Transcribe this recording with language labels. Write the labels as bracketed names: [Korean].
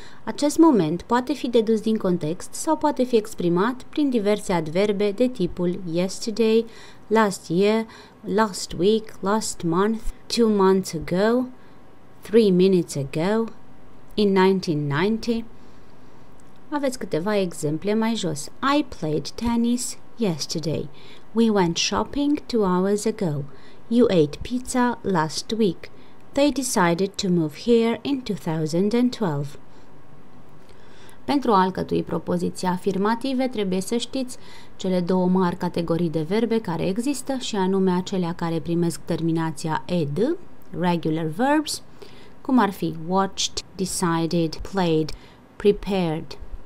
[Romanian] Acest moment poate fi dedus din context sau poate fi exprimat prin diverse adverbe de tipul [English] yesterday, last year, last week, last month, 2 months ago, 3 minutes ago, in 1990. [Romanian] Aveți câteva exemple mai jos. [English] I played tennis yesterday. We went shopping 2 hours ago. You ate pizza last week. They decided to move here in 2012. [Romanian] Pentru a alcătui propoziția afirmative, trebuie să știți cele două mari categorii de verbe care există, și anume acelea care primesc terminația ed, regular verbs, cum ar fi watched, decided, played, prepared.